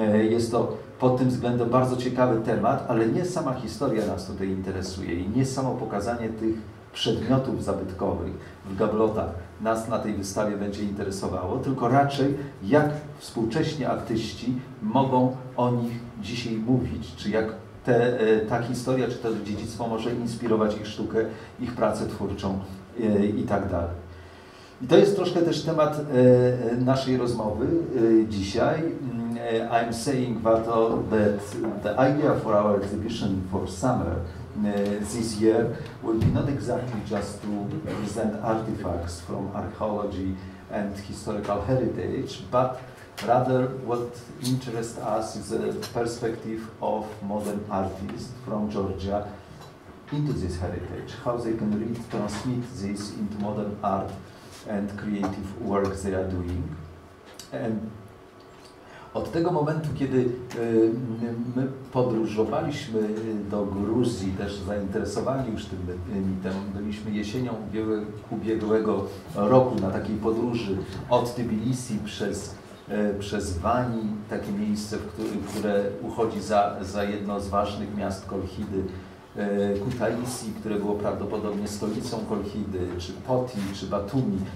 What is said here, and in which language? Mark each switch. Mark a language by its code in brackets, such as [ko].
[pl] Jest to pod tym względem bardzo ciekawy temat, ale nie sama historia nas tutaj interesuje i nie samo pokazanie tych przedmiotów zabytkowych w gablotach nas na tej wystawie będzie interesowało, tylko raczej jak współcześni artyści mogą o nich dzisiaj mówić, czy jak ta historia, czy to dziedzictwo może inspirować ich sztukę, ich pracę twórczą i tak dalej. I to jest troszkę też temat naszej rozmowy dzisiaj. [en] I'm saying, Vato, that the idea for our exhibition for summer this year will be not exactly just to present artifacts from archaeology and historical heritage, but rather what interests us is the perspective of modern artists from Georgia into this heritage, how they can read, transmit this into modern art and creative work they are doing. [pl] And od tego momentu, kiedy my podróżowaliśmy do Gruzji, też zainteresowani już tym mitem, byliśmy jesienią ubiegłego roku na takiej podróży od Tbilisi przez Wani, takie miejsce, które uchodzi za jedno z ważnych miast Kolchidy, Kutaisi, które było prawdopodobnie stolicą Kolchidy, czy Poti, czy Batumi.